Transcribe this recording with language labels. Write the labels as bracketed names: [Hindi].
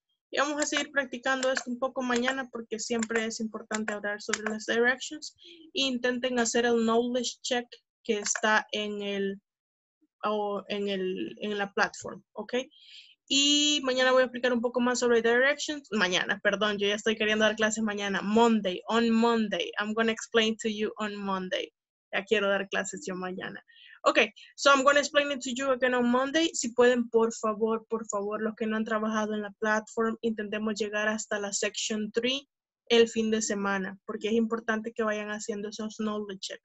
[Spanish] Y vamos a seguir practicando esto un poco mañana porque siempre es importante hablar sobre las directions. Intenten hacer el knowledge check que está en la platform. ¿Ok? Y mañana voy a explicar un poco más sobre directions. Mañana, perdón, yo ya estoy queriendo dar clases mañana. [English] Monday, on Monday. I'm going to explain to you on Monday. [Spanish] Ya quiero dar clases yo mañana. [English] Ok, so I'm going to explain it to you again on Monday. [Spanish] Si pueden, por favor, los que no han trabajado en la platform, intentemos llegar hasta la section 3 el fin de semana, porque es importante que vayan haciendo esos knowledge check.